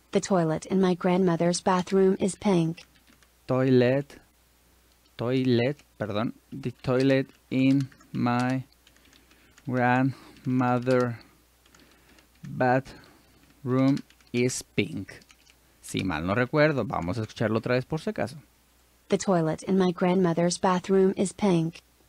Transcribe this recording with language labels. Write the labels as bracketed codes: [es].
[en] The toilet in my grandmother's bathroom is pink. Toilet. [es] Toilet, perdón. [en] The toilet in my grandmother bathroom is pink. [es] Si mal no recuerdo, vamos a escucharlo otra vez por si acaso. [en] The toilet in my grandmother's bathroom is pink.